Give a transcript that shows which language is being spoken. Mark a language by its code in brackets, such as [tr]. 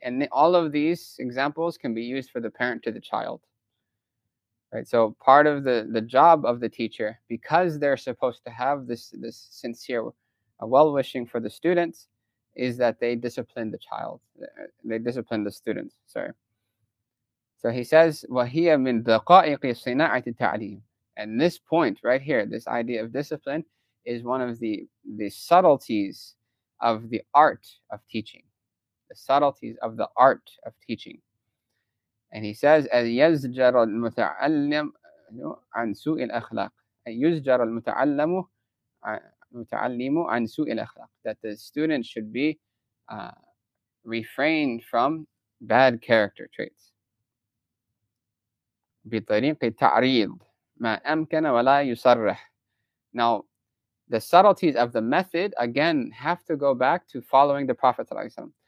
[en] And all of these examples can be used for the parent to the child. Right? So part of the job of the teacher, because they're supposed to have this sincere well-wishing for the students, is that they discipline the child. They discipline the students. Sorry. [ar] So he says, وَهِيَ مِنْ دَقَائِقِ صِنَاعَةِ التَّعْلِيمِ. [en] And this point right here, this idea of discipline, is one of the subtleties of the art of teaching. The subtleties of the art of teaching. [ar] And he says, أَيَزْجَرَ الْمُتَعَلَّمُ عَنْ سُوءِ الْأَخْلَاقِ. أَيُزْجَرَ الْمُتَعَلَّمُ عَنْ سُوءِ الْأَخْلَاقِ. [en] That the student should be refrained from bad character traits. [ar] بِطَرِيقِ تَعْرِيضِ مَا أَمْكَنَ وَلَا يُصَرَّحِ. [en] Now, the subtleties of the method, again, have to go back to following the Prophet ﷺ.